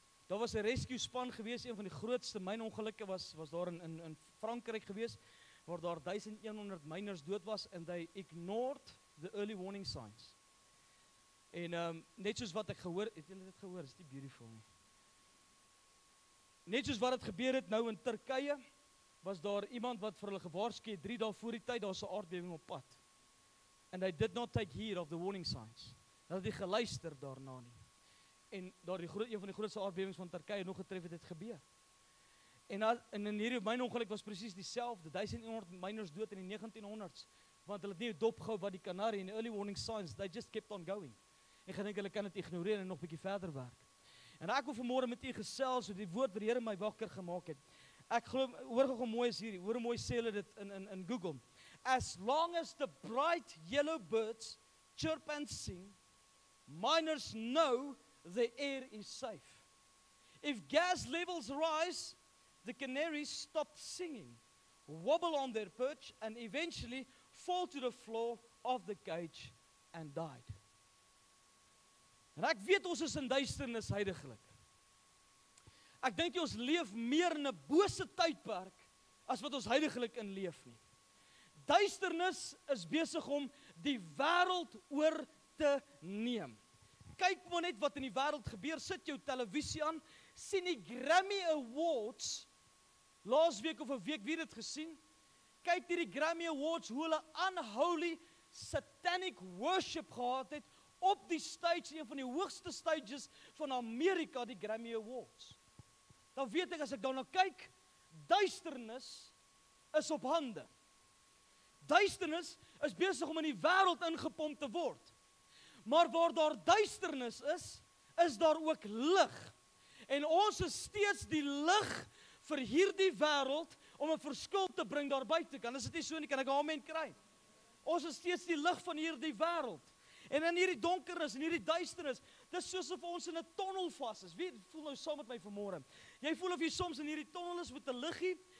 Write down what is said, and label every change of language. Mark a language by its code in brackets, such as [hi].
[af] Daar was 'n rescue span gewees, een van die grootste mynongelukke was daar in Frankryk gewees, waar daar 1100 miners dood was, [en] and they ignored the early warning signs. [af] En net soos wat ek gehoor, het julle dit gehoor, is dit beautiful nie? Net soos wat het gebeur het nou in Turkye, was daar iemand wat vir hulle gewaarsku het, 3 dae voor die tyd, daar was 'n aardbewing op pad. [en] And they did not take heed of the warning signs. [af] Hulle het nie geluister daarna nie. En daar die groot, een van die grootste aardbewings van Turkye nog getref het, het gebeur. En, dat, en in hierdie mynongeluk was precies dieselfde, 1100 miners dood in die 1900s, want hulle het nie dopgehou wat die Kanarie en die [en] early warning signs, they just kept on going. [af] En gedink hulle kan het ignoreer en nog bietjie verder werk. En ek wil vanmorgen met u gesels, die woord wat die Here my wakker gemaak het. Ek geloof, hoor hoe mooi is hierdie, hoor hoe mooi sê hulle dit in Google. [en] As long as the bright yellow birds chirp and sing, miners know the air is safe. If gas levels rise, the canaries stop singing, wobble on their perch, and eventually fall to the floor of the cage and died. [af] En ek weet ons is in duisternis heidiglik. Ek dink ons leef meer in 'n bose tydperk as wat ons heidiglik in leef nie. Duisternis is besig om die wêreld oor te neem. Kyk maar net wat in die wêreld gebeur, sit jou televisie aan, sien die Grammy Awards, laas week of 'n week, wie het dit gesien? Kyk die Grammy Awards, hoe hulle [en] unholy satanic worship [af] gehad het, op die stage, een van die hoogste stages van Amerika, die Grammy Awards. Dan weet ek, as ek daarna kyk, duisternis is op hande. Duisternis is besig om in die wêreld ingepomp te word. Maar waar daar duisternis is, is daar ook lig. En ons is steeds die lig vir hierdie wêreld om 'n verskil te bring daar buite. Kan dit nie so nie, kan ek 'n amen kry? Ons is steeds die lig van hierdie wêreld. En in hierdie donkernis, in hierdie duisternis, dis soos of ons in 'n tunnel vas is. Wie voel nou saam met my vanmôre? Jy voel of jy soms in hierdie tunnel is met 'n liggie.